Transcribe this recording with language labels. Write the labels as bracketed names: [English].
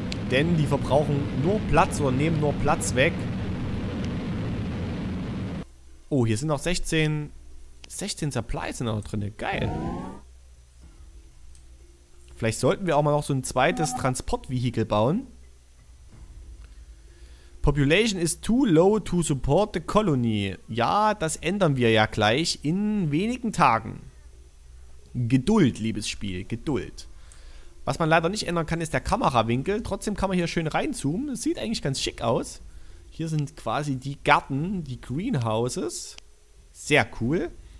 [German] Denn die verbrauchen nur Platz oder nehmen nur Platz weg. Oh, hier sind noch 16 Supplies sind noch drin. Geil. Vielleicht sollten wir auch mal noch so ein zweites Transportvehikel bauen. [English] Population is too low to support the colony. [German] Ja, das ändern wir ja gleich in wenigen Tagen. Geduld, liebes Spiel, Geduld. Was man leider nicht ändern kann, ist der Kamerawinkel. Trotzdem kann man hier schön reinzoomen. Es sieht eigentlich ganz schick aus. Hier sind quasi die Gärten, die Greenhouses. Sehr cool.